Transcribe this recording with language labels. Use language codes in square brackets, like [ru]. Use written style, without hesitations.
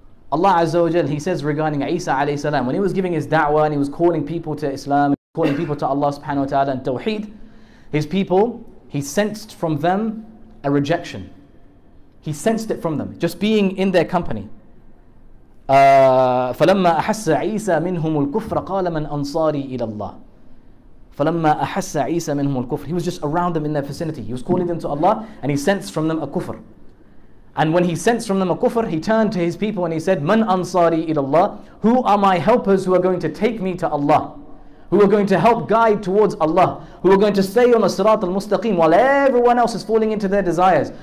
[en] Allah Azza wa Jal, He says regarding Isa alayhi salam, when he was giving his da'wah and he was calling people to Islam, calling people to Allah subhanahu wa ta'ala and Tawheed, his people, he sensed from them a rejection. He sensed it from them, just being in their company. [ar] فَلَمَّا أَحَسَّ عِيسَى مِنْهُمُ الْكُفْرَ قَالَ مَنْ أَنصَارِي إِلَى اللَّهِ فَلَمَّا أَحَسَّ عِيسَى مِنْهُمُ الْكُفْرَ. [en] He was just around them in their vicinity. He was calling them to Allah and he sensed from them a kufr. And when he sensed from them a kufr, he turned to his people and he said, [ar] مَنْ أَنصَارِي إِلَى اللَّهِ. [en] Who are my helpers who are going to take me to Allah? Who are going to help guide towards Allah? Who are going to stay on the Sirat al-Mustaqim while everyone else is falling into their desires?